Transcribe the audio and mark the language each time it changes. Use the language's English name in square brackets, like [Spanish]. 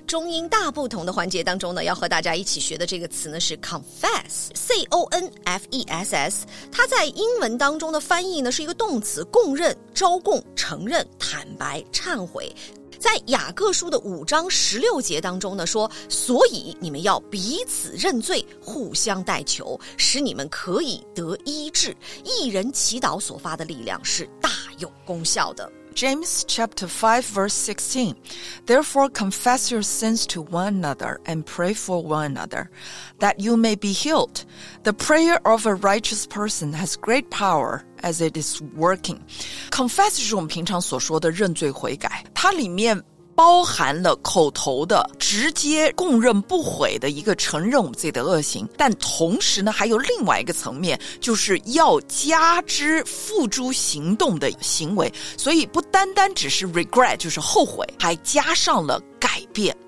[Chinese] 中英大不同的环节当中呢，要和大家一起学的这个词呢是 confess， C-O-N-F-E-S-S， 它在英文当中的翻译呢是一个动词，供认、招供、承认、坦白、忏悔。在雅各书的5:16当中呢说，所以你们要彼此认罪，互相代求，使你们可以得医治。一人祈祷所发的力量是大有功效的。 [English] James chapter 5 verse 16, therefore confess your sins to one another and pray for one another, that you may be healed. The prayer of a righteous person has great power as it is working. [Chinese] Confess 就是我们平常所说的认罪悔改，它里面包含了口头的直接供认不悔的一个承认我们自己的恶行，但同时呢还有另外一个层面，就是要加之付诸行动的行为，所以不单单只是 regret 就是后悔，还加上了改变。